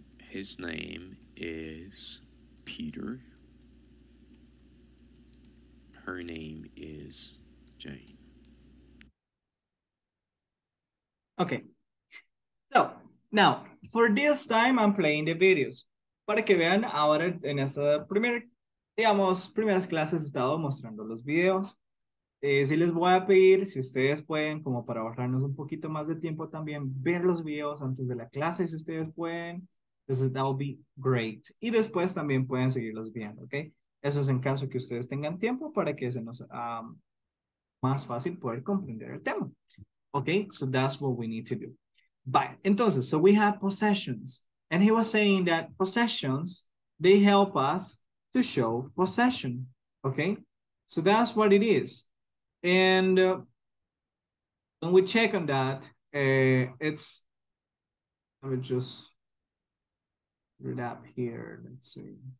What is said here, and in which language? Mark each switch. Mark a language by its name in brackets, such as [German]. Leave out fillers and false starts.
[English] His name is Peter. Her name is Jane. Okay. So, now, for this time, I'm playing the videos. [Spanish] Para que vean, ahora en esta primeras clases he estado mostrando los videos. Sí les voy a pedir, si ustedes pueden, como para ahorrarnos un poquito más de tiempo también, ver los videos antes de la clase, si ustedes pueden. Entonces, [English] that would be great. [Spanish] Y después también pueden seguirlos viendo, ¿ok? Eso es en caso que ustedes tengan tiempo para que se nos sea más fácil poder comprender el tema. [English] ¿Ok? So, that's what we need to do. Bye. [Spanish] Entonces, [English] so we have possessions. And he was saying that possessions, they help us to show possession. Okay? So that's what it is. And when we check on that, let me just put it up here. Let's see.